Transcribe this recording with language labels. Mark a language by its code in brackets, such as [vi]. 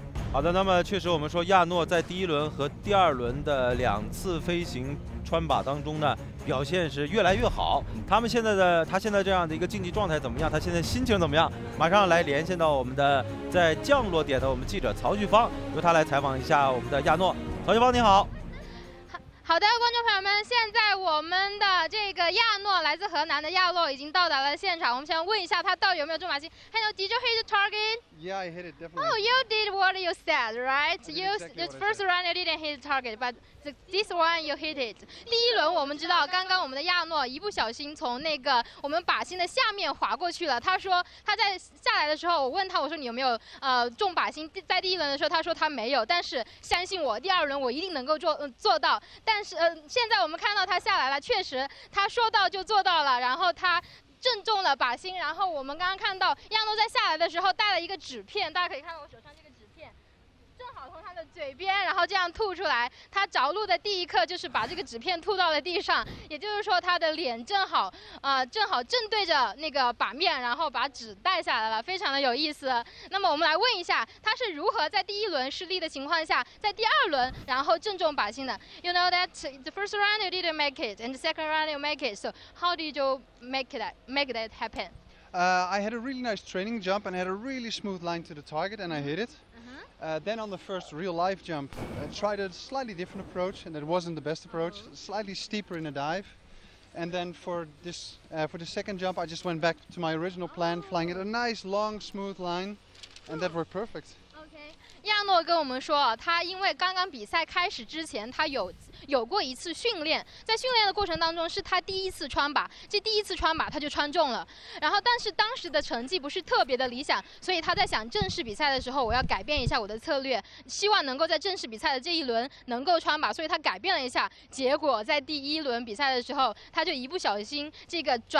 [zh] 好的，那么确实我们说亚诺在第一轮和第二轮的两次飞行穿靶当中呢表现是越来越好，他现在这样的一个竞技状态怎么样，他现在心情怎么样，马上来连线到我们的在降落点的我们记者曹旭芳，由他来采访一下我们的亚诺。曹旭芳你好。好的，观众朋友们，现在我们的这个亚诺，来自河南的亚诺已经到达了现场，我们先问一下他到底有没有中靶心。 [en] Hello, did you hit the target? Yeah, I hit it, definitely. Oh, you did what you said, right? You, exactly, the first round you didn't hit the target, but this one you hit it. [zh] 第一轮我们知道刚刚我们的亚诺一不小心从那个我们靶心的下面滑过去了，他说他在下来的时候我问他，我说你有没有中靶心，在第一轮的时候他说他没有，但是相信我第二轮我一定能够做到。但是现在我们看到他下来了，确实他说到就做到了，然后他正中了靶心。然后我们刚刚看到亚诺在下来的时候带了一个纸片，大家可以看到我手上这个纸片正好从他的嘴边然后这样吐出来，他着陆的第一刻就是把这个纸片吐到了地上，也就是说他的脸正好正对着那个靶面，然后把纸带下来了，非常的有意思。那么我们来问一下他是如何在第一轮失利的情况下在第二轮然后正中靶心的。 [en] You know that the first round you didn't make it and the second round you make it, so how did you make that happen? I had a really nice training jump and I had a really smooth line to the target and I hit it. Then on the first real life jump, I tried a slightly different approach and it wasn't the best approach, slightly steeper in a dive. And then for the second jump, I just went back to my original plan, flying it a nice long smooth line and that worked perfect. [zh] 亚诺跟我们说，他因为刚刚比赛开始之前，他有有过一次训练，在训练的过程当中是他第一次穿靶，这第一次穿靶他就穿中了，然后但是当时的成绩不是特别的理想，所以他在想正式比赛的时候我要改变一下我的策略，希望能够在正式比赛的这一轮能够穿靶，所以他改变了一下，结果在第一轮比赛的时候他就一不小心这个